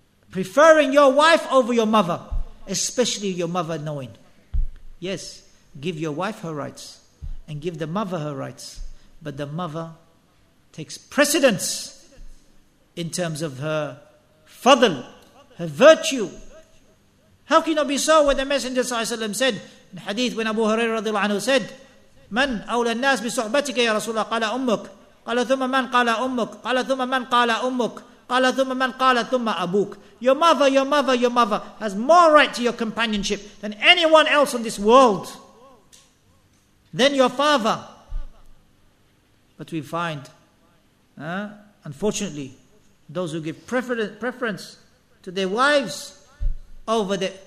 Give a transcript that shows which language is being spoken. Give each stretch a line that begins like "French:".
English: Preferring your wife over your mother, especially your mother knowing. Yes, give your wife her rights and give the mother her rights, but the mother takes precedence in terms of her fadl, her virtue. How can it be so when the Messenger ﷺ said, in hadith when Abu Hurairah ﷺ said,
Arabic: من أولى الناس بصحبتك يا رسول الله قال أمك قال ثم من قال أمك قال ثم من قال أمك قال ثم من قال ثم أبوك.
English: Your mother has more right to your companionship than anyone else on this world. Then your father. But we find, unfortunately, those who give preference to their wives over the...